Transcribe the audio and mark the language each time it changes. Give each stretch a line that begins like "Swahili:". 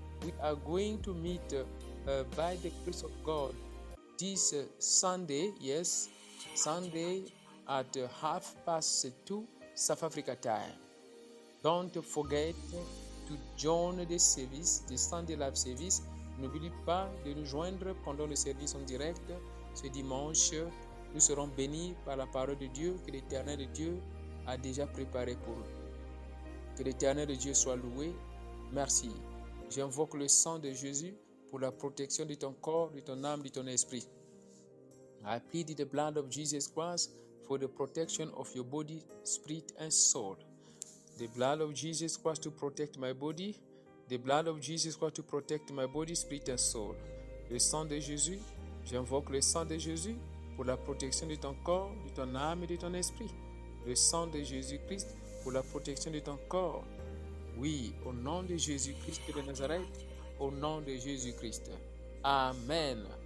English: We are going to meet by the grace of God this Sunday, yes, Sunday, at 2:30 South Africa time. Don't forget to join the service, the Sunday Live service.
French: N'oublie pas de nous joindre pendant le service en direct ce dimanche. Nous serons bénis par la parole de Dieu que l'Éternel Dieu a déjà préparée pour nous. Que l'Éternel Dieu soit loué. Merci. J'invoque le sang de Jésus pour la protection de ton corps, de ton âme, de ton esprit.
English: I plead the blood of Jesus Christ for the protection of your body, spirit and soul. The blood of Jesus Christ to protect my body. The blood of Jesus Christ to protect my body, spirit and soul.
French: Le sang de Jésus, j'invoque le sang de Jésus pour la protection de ton corps, de ton âme et de ton esprit. Le sang de Jésus-Christ pour la protection de ton corps. Oui, au nom de Jésus-Christ de Nazareth, au nom de Jésus-Christ. Amen.